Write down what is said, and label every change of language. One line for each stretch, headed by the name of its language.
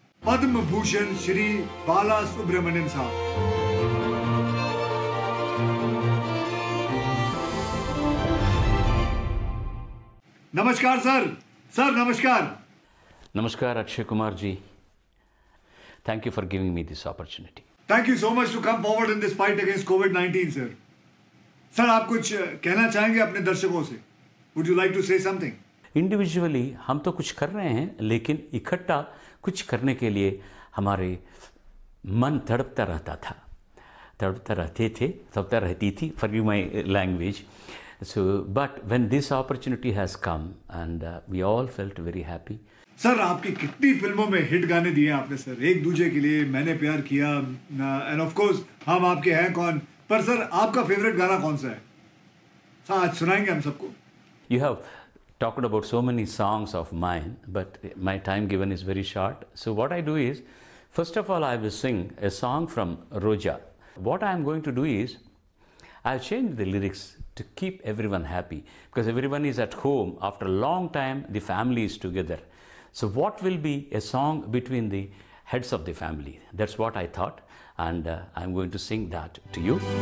Hindi: पद्म भूषण श्री बाला सुब्रमण्यम साहब। नमस्कार sir. Sir नमस्कार। नमस्कार Akshay Kumar ji,
English: Thank you for giving me this opportunity. Thank you so much to come forward in this fight against COVID-19, sir.
Hindi: Sir, आप कुछ कहना चाहेंगे अपने दर्शकों से?
English: Would you like to say something?
Hindi: Individually, हम तो कुछ कर रहे हैं, लेकिन इकट्ठा कुछ करने के लिए हमारे मन तड़पता रहता था, तड़पता रहती थी,
English: forgive my language. So, but when this opportunity has come and we all felt very happy.
Hindi: Sir आपकी कितनी फिल्मों में हिट गाने दिए आपने सर, एक दूजे के लिए, मैंने प्यार किया,
English: and of course
Hindi: हम आपके हैं कौन, पर सर आपका फेवरेट गाना कौन सा है? आज सुनाएंगे हम सबको।
English: You have talked about so many songs of mine, but my time given is very short, so what I do is first of all I will sing a song from Roja. What I am going to do is I have changed the lyrics to keep everyone happy because everyone is at home after long time, the family is together. So what will be a song between the heads of the family? That's what I thought, and I'm going to sing that to you.